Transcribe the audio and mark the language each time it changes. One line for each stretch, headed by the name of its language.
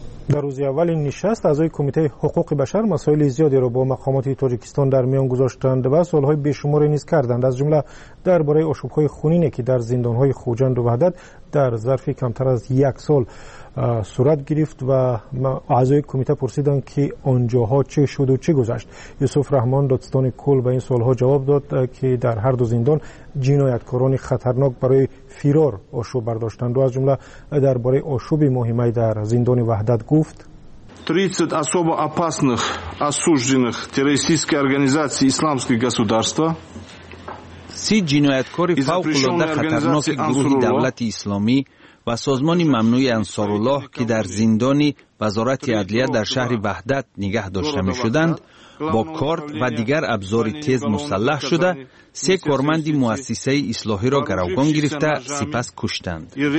Persian: در روز اول این نشست اعضای کمیته حقوق بشر مسائل زیادی را با مقامات تاجیکستان در میان گذاشتند و سوال‌های بی‌شماری نیز کردند، از جمله درباره آشوب‌های خونینی که در زندان‌های خوجند و وحدت در ظرف کمتر از یک سال صورت گرفت و اعضای کمیته پرسیدند که آنجاها چه شد و چه گذشت. یوسف رحمان دادستان کل به این سوال‌ها جواب داد که در هر دو زندان جنایتکاران خطرناک برای فرار آشوب برداشتند و از جمله درباره آشوب مهمی در زندان وحدت گفت.
Russian: 30 особо опасных осужденных террористической организации Исламское государство.
Persian: 30 جنایتکار فوق العاده خطرناک گروه دولت اسلامی و سازمان ممنوع انصار الله که در زندان وزارت عدلیه در شهر وحدت نگه داشته می شدند، با کارت و دیگر ابزار تیز مسلح شده، 3 کارمند مؤسسه اصلاحی را گروگان گرفته سپس کشتند.